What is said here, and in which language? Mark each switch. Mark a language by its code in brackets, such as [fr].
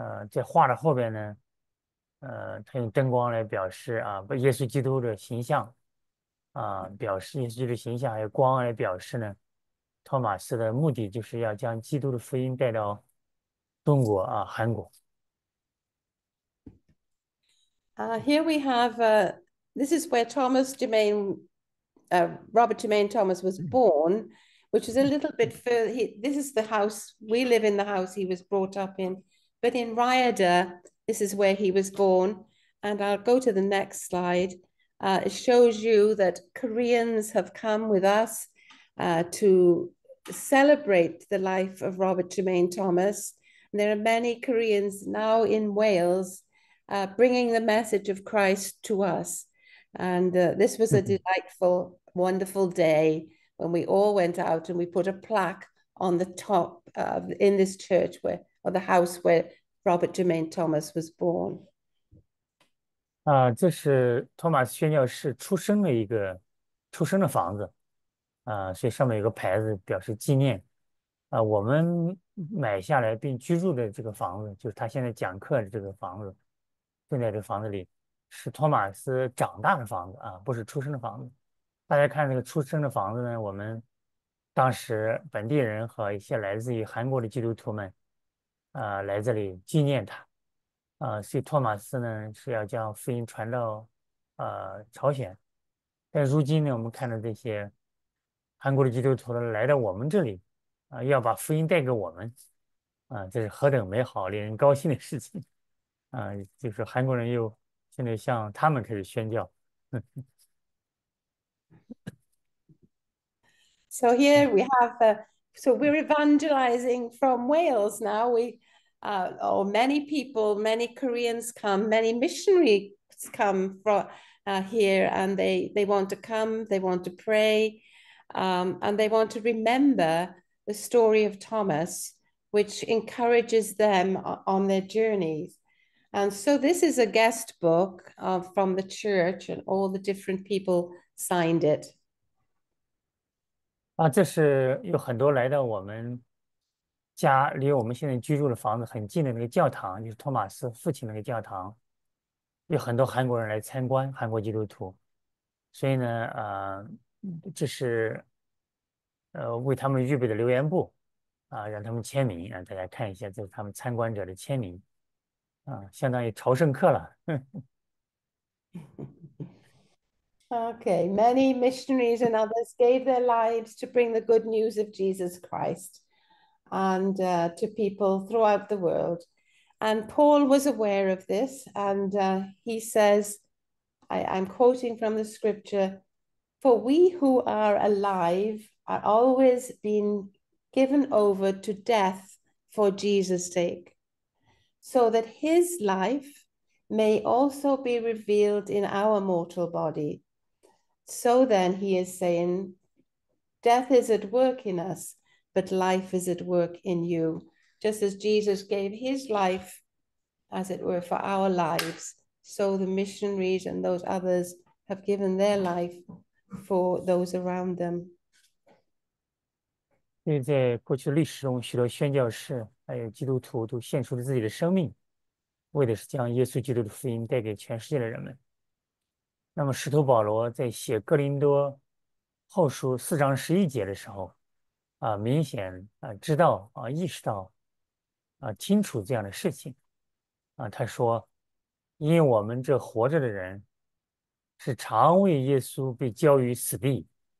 [zh] 在画的后边呢，它用灯光来表示啊，把耶稣基督的形象啊，表示耶稣基督的形象，还有光来表示呢。托马斯的目的就是要将基督的福音带到中国啊，韩国。 [en] Here we have, this is where Thomas Germain, Robert Germain Thomas was born, which is a little bit further. This is the house, we live in the house he was brought up in. But in Rhyadr, this is where he was born. And I'll go to the next slide. It shows you that Koreans have come with us to celebrate the life of Robert Germain Thomas. And there are many Koreans now in Wales, bringing the message of Christ to us. And this was a delightful, wonderful day when we all went out and we put a plaque on the top of, in this church where, or the house where Robert Germain Thomas was born. [zh] 这是托马斯宣教士出生的房子，所以上面有个牌子表示纪念。我们买下来并居住的这个房子，就是他现在讲课的这个房子。现在这房子里是托马斯长大的房子啊，不是出生的房子。大家看这个出生的房子呢，我们当时本地人和一些来自于韩国的基督徒们，来这里纪念他，所以托马斯呢是要将福音传到朝鲜。但如今呢，我们看到这些韩国的基督徒来到我们这里，要把福音带给我们，这是何等美好、令人高兴的事情。就是韩国人又现在向他们开始宣教。 [en] So here we have, so we're evangelizing from Wales now. Many people, many Koreans come, many missionaries come from here, and they want to come, they want to pray, and they want to remember the story of Thomas, which encourages them on their journeys. And so this is a guest book from the church, and all the different people signed it. [zh] 这是有很多来到我们家，离我们现在居住的房子很近的那个教堂，就是托马斯父亲那个教堂，有很多韩国人来参观，韩国基督徒，所以呢，这是为他们预备的留言簿，让他们签名，让大家看一下，这是他们参观者的签名，相当于朝圣客了。 [en] Okay, many missionaries and others gave their lives to bring the good news of Jesus Christ and to people throughout the world. And Paul was aware of this, and he says, I'm quoting from the scripture, for we who are alive are always being given over to death for Jesus' sake, so that his life may also be revealed in our mortal body. So then he is saying, death is at work in us, but life is at work in you. Just as Jesus gave his life, as it were, for our lives, so the missionaries and those others have given their life for those around them. [zh] 因为在过去历史中，许多宣教士还有基督徒都献出了自己的生命，为的是将耶稣基督的福音带给全世界的人们。那么，使徒保罗在写《哥林多后书》4章11节的时候，明显知道意识到清楚这样的事情他说：“因为我们这活着的人，是常为耶稣被交于死地。”